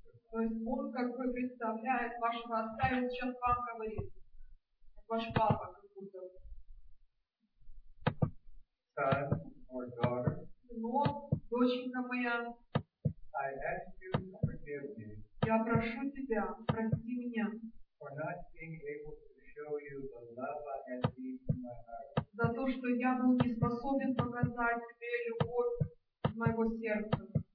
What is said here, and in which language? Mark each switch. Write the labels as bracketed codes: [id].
[ru] То есть он как бы представляет вашего отца, и сейчас вам говорит. Как ваш папа, как будто. [en] Son or daughter. [ru] Но, доченька моя. [en] I ask you to forgive me. [ru] Я прошу тебя, прости меня. [en] For not being able to show you the love I had deep in my heart. [ru] За то, что я был не способен показать тебе любовь моего сердца.